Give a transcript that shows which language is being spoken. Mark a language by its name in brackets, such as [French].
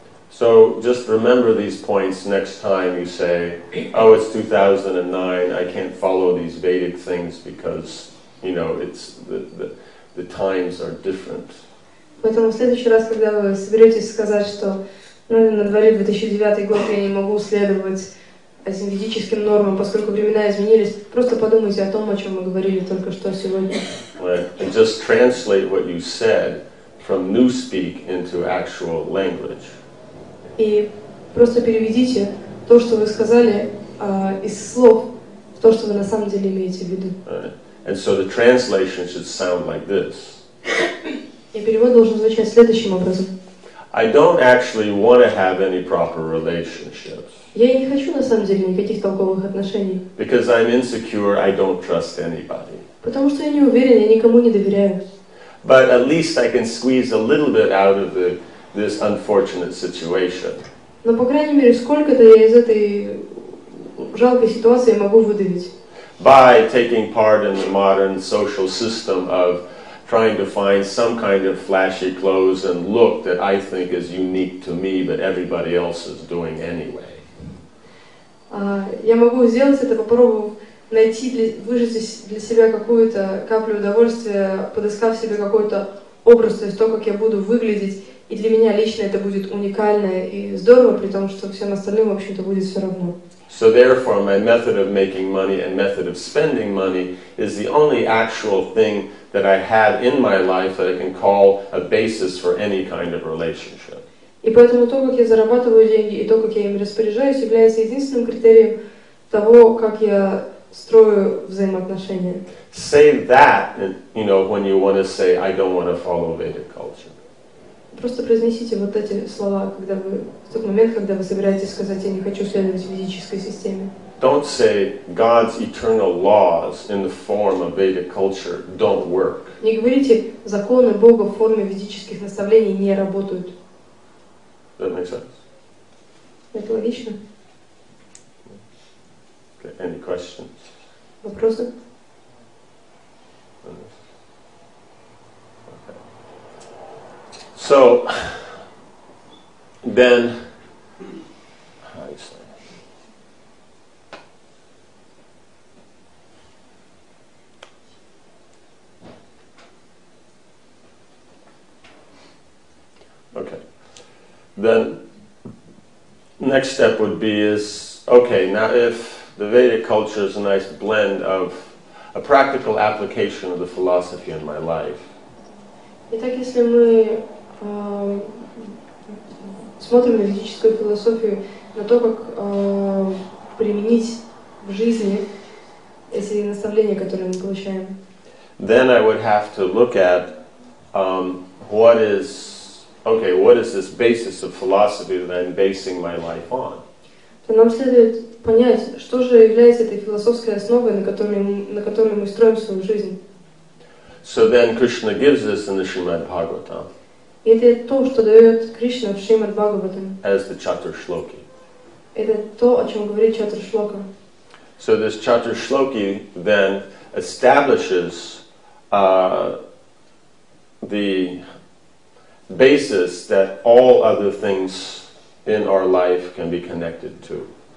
[English] So just remember these points next time you say, oh, it's 2009, I can't follow these Vedic things because, you know, it's the times are different. [Russian] Поэтому в следующий раз, когда вы соберетесь сказать, что на дворе 2009 год, я не могу следовать этим ведическим нормам, поскольку времена изменились, просто подумайте о том, о чем мы говорили только что сегодня. [English] And just translate what you said from newspeak into actual language. [Russian] И просто переведите то, что вы сказали, из слов в то, что вы на самом деле имеете в виду. [English] And so the translation should sound like this. [Russian] И перевод должен звучать следующим образом. [English] I don't actually want to have any proper relationships. [Russian] Я не хочу на самом деле никаких толковых отношений. [English] Because I'm insecure, I don't trust anybody. [Russian] Потому что я не уверен, я никому не доверяю. [English] But at least I can squeeze a little bit out of this unfortunate situation. [Russian] Но по крайней мере сколько-то я из этой жалкой ситуации могу выдавить. [English] By taking part in the modern social system of trying to find some kind of flashy clothes and look that I think is unique to me, but everybody else is doing anyway. [Russian] Я могу сделать это, попробовав найти, выжать для себя какую-то каплю удовольствия, подыскав себе какой-то образ, то есть то, как я буду выглядеть, и для меня лично это будет уникально и здорово, при том, что всем остальным, в общем-то, будет все равно. [English] So therefore, my method of making money and method of spending money is the only actual thing that I have in my life that I can call a basis for any kind of relationship. [Russian] И поэтому то, как я зарабатываю деньги, и то, как я ими распоряжаюсь, является единственным критерием того, как я строю взаимоотношения. [English] Say that, you know, when you want to say, I don't want to follow Vedic culture. [Russian] Просто произнесите вот эти слова, когда вы в тот момент, когда вы собираетесь сказать, я не хочу следовать ведической системе. [English] Don't say God's eternal laws in the form of Vedic culture don't work. [Russian] Не говорите, законы Бога в форме ведических наставлений не работают. [English] That makes sense. [Russian] Это логично. [English] Okay, any questions? [Russian] Вопросы? [English] So, then next step would be is, okay, now if the Vedic culture is a nice blend of a practical application of the philosophy in my life. [Russian] Итак, если мы смотрим на ведическую философию, на то, как применить в жизни эти наставления, которые мы получаем. [English] Then I would have to look at what is, okay, what is this basis of philosophy that I'm basing my life on? [Russian] То нам следует понять, что же является этой философской основой, на которой мы строим свою жизнь. [English] So then Krishna gives this in the Srimad Bhagavatam. [Russian] Это то, что дает Кришна в Шримад Бхагаватам. [English] As the Chaturshloki. [Russian] Это то, о чем говорит Чатуршлока. [English] So this Chaturshloki then establishes the basis that all other things in our life can be connected to.